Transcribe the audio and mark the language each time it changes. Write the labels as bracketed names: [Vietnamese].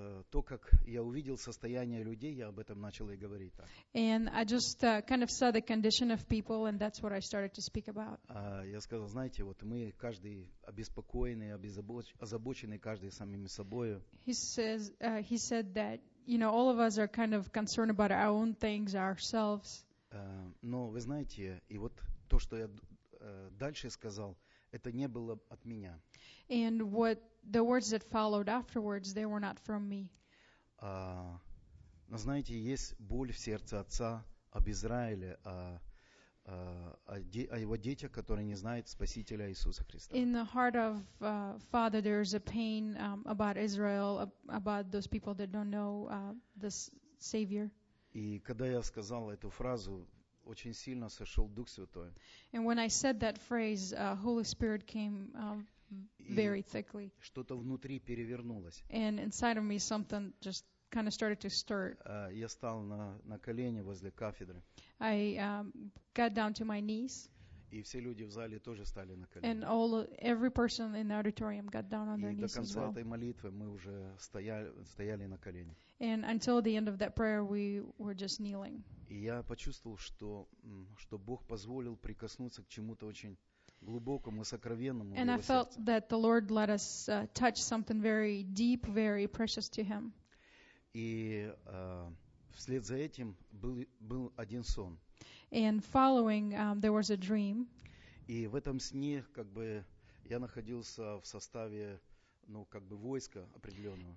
[Russian] То, как я увидел состояние людей, я об этом начал и говорить так. [English] And I just kind of saw the condition of people, and that's what I started to speak about. [Russian] Я сказал, знаете, вот мы каждый обеспокоенный, озабоченный каждый самими собою. [English] He said that, you know, all of us are kind of concerned about our own things, ourselves. [Russian] Но вы знаете, и вот то, что я дальше сказал, это не было от меня. [English] And what the words that followed afterwards, they were not from me. [Russian] Но знаете, есть боль в сердце отца об Израиле, о его детях, которые не знают Спасителя Иисуса Христа. [English] In the heart of father, there is a pain about Israel, about those people that don't know the Savior. [Russian] И когда я сказал эту фразу, очень сильно сошел Дух Святой. [English] And when I said that phrase, Holy Spirit came very thickly. [Russian] И что-то внутри перевернулось. [English] And inside of me something just kind of started to stir. [Russian] Я стал на колени возле кафедры. [English] I got down to my knees. [Russian] И все люди в зале тоже стали на колени. [English] And every person in the auditorium got down on their knees as well. [Russian] И до конца этой молитвы мы уже стояли на колени. [English] And until the end of that prayer, we were just kneeling. [Russian] И я почувствовал, что Бог позволил прикоснуться к чему-то очень глубокому, сокровенному. [English] And I felt that the Lord let us touch something very deep, very precious to Him. [Russian] И вслед за этим был один сон. [English] And following, there was a dream. [Russian] И в этом сне, как бы, я находился в составе, ну, как бы, войска определенного.